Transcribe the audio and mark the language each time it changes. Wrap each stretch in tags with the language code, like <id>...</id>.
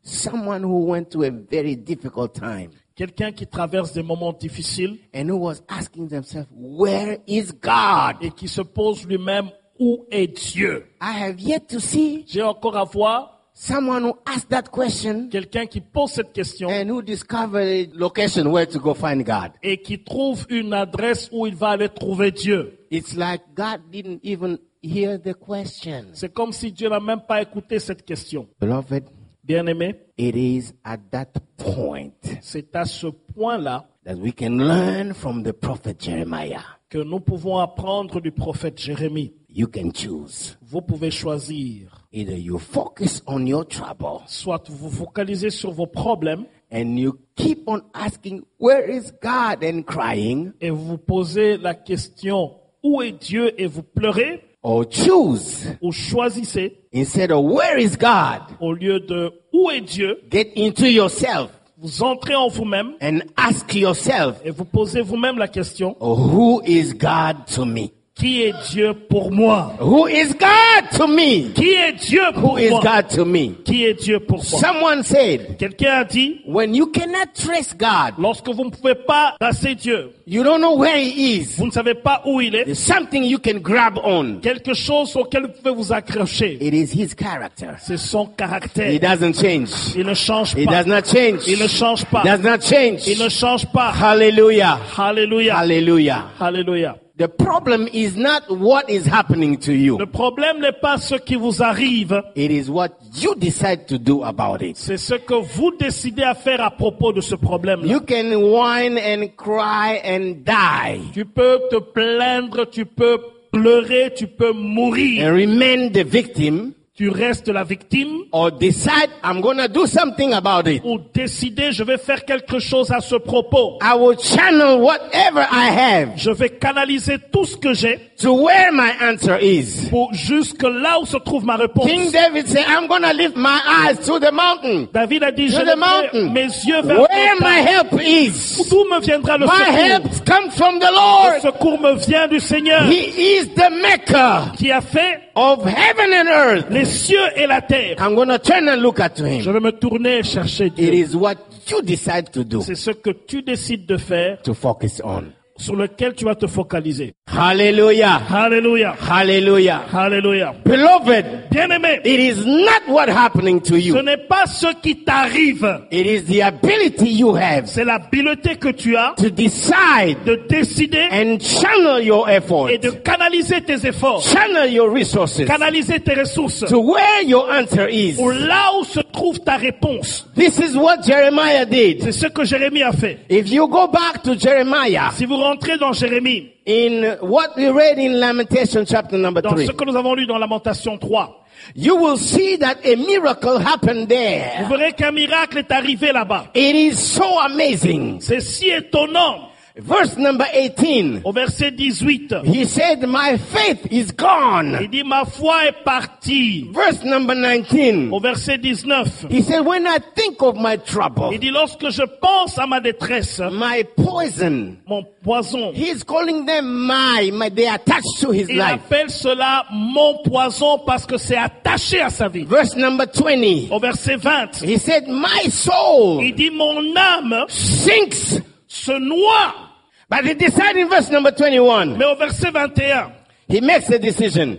<en>Someone who went through a very difficult time.</en> <fr>Quelqu'un qui traverse des moments difficiles.</fr> <en>And who was asking himself, where is God?</en> <fr>Et qui se pose lui-même, où est Dieu?</fr> <en>I have yet to see.</en> <fr>J'ai encore à voir.</fr> <en>Someone who asked that question.</en> <fr>Quelqu'un qui pose cette question.</fr> <en>And who discovered a location where to go find God.</en> <fr>Et qui trouve une adresse où il va aller trouver Dieu.</fr> <en>It's like God didn't even hear the question.</en> <fr>C'est comme si Dieu n'a même pas écouté cette question.</fr> <en>Beloved.</en> <fr>Bien-aimé,</fr> <en>it is at that point.</en> <fr>C'est à ce point-là</fr> <en>that we can learn from the prophet Jeremiah.</en> <fr>Que nous pouvons apprendre du prophète Jérémie.</fr> <en>You can choose.</en> <fr>Vous pouvez choisir.</fr> <en>Either you focus on your trouble.</en> <fr>Soit vous focalisez sur vos problèmes.</fr> <en>And you keep on asking, where is God, and crying.</en> <fr>Et vous posez la question, où est Dieu, et vous pleurez.</fr> <en>Or choose.</en> <fr>Ou choisissez.</fr> <en>Instead of where is God?</en> <fr>Au lieu de où est Dieu?</fr> <en>Get into yourself.</en> <fr>Vous entrez en vous-même.</fr> <en>And ask yourself.</en> <fr>Et vous posez vous-même la question.</fr> <en>Who is God to me?</en> <fr>Qui est Dieu pour moi?</fr> <en>Who is God to me?</en> <fr>Qui est Dieu pour</fr> <en>who</en> <fr>moi?</fr> <en>Who is God to me?</en> <fr>Qui est Dieu pour moi?</fr> <en>Someone said.</en> <fr>Quelqu'un a dit.</fr> <en>When you cannot trace God.</en> <fr>Lorsque vous ne pouvez pas tracer Dieu.</fr> <en>You don't know where he is.</en> <fr>Vous ne savez pas où il est.</fr> <en>There's something you can grab on.</en> <fr>Quelque chose auquel vous pouvez vous accrocher.</fr> <en>It is his character.</en> <fr>C'est son caractère.</fr> <en>He doesn't change.</en> <fr>Il ne change pas.</fr> <en>He does not change.</en> <fr>Il ne change pas.</fr> <en>He does not change.</en> <fr>Il ne change pas.</fr> <en>Hallelujah.</en> <fr>Hallelujah.</fr> <en>Hallelujah.</en> <fr>Hallelujah.</fr> <en>The problem is not what is happening to you.</en> <fr>Le problème n'est pas ce qui vous arrive.</fr> <en>It is what you decide to do about it.</en> <fr>C'est ce que vous décidez à faire à propos de ce problème-là.</fr> <en>You can whine and cry and die.</en> <fr>Tu peux te plaindre, tu peux pleurer, tu peux mourir.</fr> <en>And remain the victim.</en> <fr>tu restes la victime,</fr> <en>or decide I'm gonna do something about it,</en> <fr>ou décider je vais faire quelque chose à ce propos,</fr> <en>I will channel whatever I have,</en> <fr>je vais canaliser tout ce que j'ai,</fr> <en>to where my answer is,</en> <fr>pour jusque là où se trouve ma réponse.</fr> <en>King David said, I'm gonna lift my eyes to the mountain,</en> <fr>David a dit,</fr> <en>to the mountain,</en> <fr>mes yeux vers</fr> <en>where</en> <fr>montagne.</fr> <en>My help is,</en> <fr>d'où me viendra le</fr> <en>my</en> <fr>secours?</fr> <en>My help comes from the Lord,</en> <fr>le secours me vient du Seigneur.</fr> <en>He is the maker</en> <fr>qui a fait</fr> <en>of heaven and earth,</en> <fr>les cieux et la terre.</fr> <en>I'm gonna turn and look at him.</en> <fr>Je vais me tourner et chercher Dieu.</fr> <en>It is what you decide to do.</en> <fr>C'est ce que tu décides de faire.</fr> <en>To focus on.</en> <fr>Sur lequel tu vas te focaliser.</fr> <en>Hallelujah.</en> <fr>Hallelujah.</fr> <en>Hallelujah.</en> <fr>Hallelujah.</fr> <en>Beloved.</en> <fr>Bien-aimé.</fr> <en>It is not what happening to you.</en> <fr>Ce n'est pas ce qui t'arrive.</fr> <en>It is the ability you have.</en> <fr>C'est l'habileté que tu as.</fr> <en>To decide.</en> <fr>De décider.</fr> <en>And channel your efforts.</en> <fr>Et de canaliser tes efforts.</fr> <en>Channel your resources.</en> <fr>Canaliser tes ressources.</fr> <en>To where your answer is.</en> <fr>Ou là où se trouve ta réponse.</fr> <en>This is what Jeremiah did.</en> <fr>C'est ce que Jérémie a fait.</fr> <en>If you go back to Jeremiah.</en> <fr>Si vous rentrez dans Jérémie.</fr> <en>In what we read in Lamentation chapter number 3.</en> <fr>Dans ce que nous avons lu dans Lamentation 3.</fr> <en>You will see that a miracle happened there.</en> <fr>Vous verrez qu'un miracle est arrivé là-bas.</fr> <en>It is so amazing.</en> <fr>C'est si étonnant.</fr> <en>Verse number 18.</en> <fr>Au verset 18.</fr> <en>He said, my faith is gone.</en> <fr>Il dit, ma foi est partie.</fr> <en>Verse number 19.</en> <fr>Au verset 19.</fr> <en>He said, when I think of my trouble.</en> <fr>Il dit, lorsque je pense à ma détresse.</fr> <en>My poison.</en> <fr>Mon poison.</fr> <en>He is calling them my, they are attached to his</en> <fr>il</fr> <en>life.</en> <fr>Il appelle cela mon poison parce que c'est attaché à sa vie.</fr> <en>Verse number 20.</en> <fr>Au verset 20.</fr> <en>He said, my soul.</en> <fr>Il dit, mon âme.</fr> <en>Sinks.</en> <fr>Se noie.</fr> <en>But he decided in verse number 21.</en> <fr>Mais au verset 21.</fr> <en>He makes a decision.</en>